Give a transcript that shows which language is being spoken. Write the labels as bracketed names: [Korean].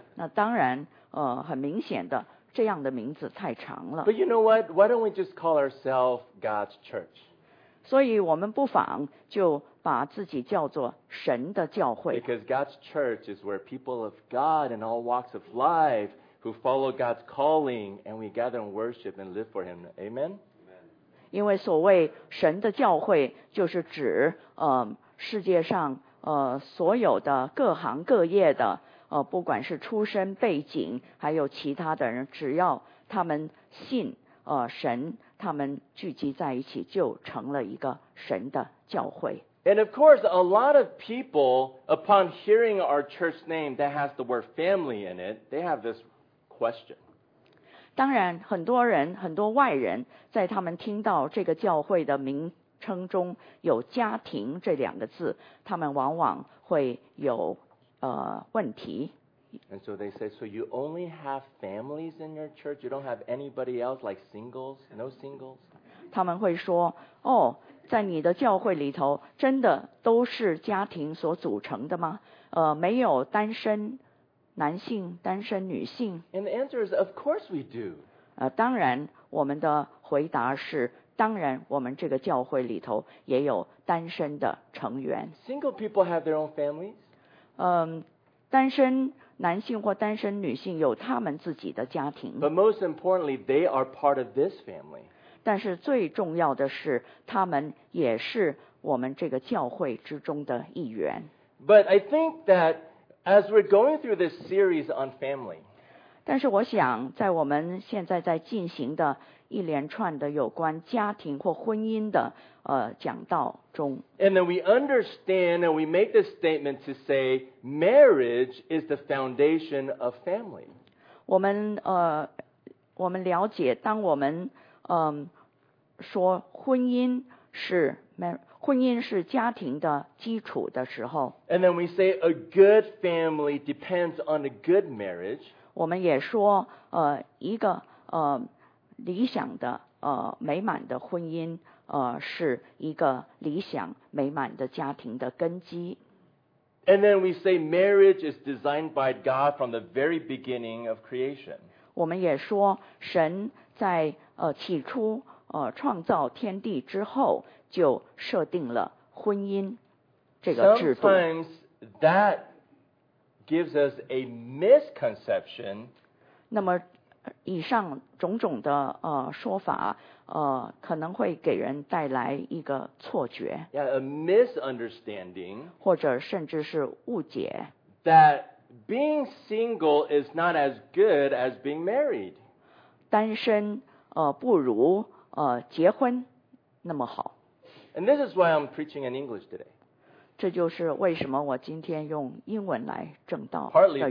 [Chinese] 那当然、很明显的这样的名字太长了。 [English] But you know what? Why don't we just call ourselves God's church? [Chinese] 所以我们不妨就把自己叫做神的教会。 [English] Because God's church is where people of God and all walks of life who follow God's calling and we gather and worship and live for Him. Amen? [Chinese] 因为所谓神的教会就是指、世界上、所有的各行各业的不管是出身背景还有其他的人只要他们信、神他们聚集在一起就成了一个神的教会 [English] And of course a lot of people upon hearing our church name that has the word family in it they have this question [Chinese] 当然很多人很多外人在他们听到这个教会的名称中有家庭这两个字他们往往会有问题。 [English] And so they say, so you only have families in your church? You don't have anybody else like singles? No singles? [Chinese] 他们会说，哦，在你的教会里头，真的都是家庭所组成的吗？没有单身男性，单身女性。 [English] And the answer is, of course we do. [Chinese] 当然，我们的回答是，当然，我们这个教会里头也有单身的成员。 [English] Single people have their own families. [Chinese] 单身男性或单身女性有他们自己的家庭。 [English] But most importantly, they are part of this family. [Chinese] 但是最重要的是，他们也是我们这个教会之中的一员。 [English] But I think that as we're going through this series on family, [Chinese] 但是我想，在我们现在在进行的一连串的有关家庭或婚姻的讲道中 [English] And then we understand and we make this statement to say marriage is the foundation of family. [Chinese] 我们了解当我们说婚姻是家庭的基础的时候 [English] And then we say a good family depends on a good marriage. [Chinese] 我们也说一个理想的美满的婚姻是一个理想美满的家庭的根基。 [English] And then we say marriage is designed by God from the very beginning of creation. [Chinese] 我们也说神在起初创造天地之后就设定了婚姻这个制度。 [English] Sometimes that gives us a misconception. [Chinese] 那么以上种种的说法可能会给人带来一个错觉。 [English] Yeah, a misunderstanding. [Chinese] 或者甚至是误解。 [English] That being single is not as good as being married. [Chinese] 单身不如结婚那么好。 [English] And this is why I'm preaching in English today. [Chinese] 这就是为什么我今天用英文来证道的